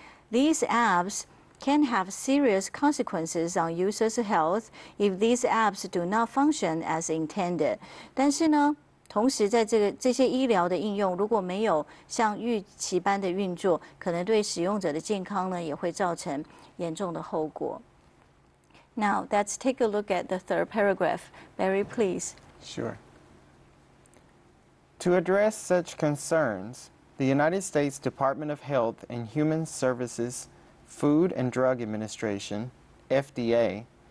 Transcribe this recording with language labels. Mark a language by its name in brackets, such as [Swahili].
[English] These apps can have serious consequences on users' health if these apps do not function as intended. [Chinese] 但是呢，同时在这些医疗的应用如果没有像预期般的运作，可能对使用者的健康呢也会造成严重的后果。 [English] Now let's take a look at the third paragraph. Mary, please. Sure. To address such concerns, the United States Department of Health and Human Services Food and Drug Administration, FDA,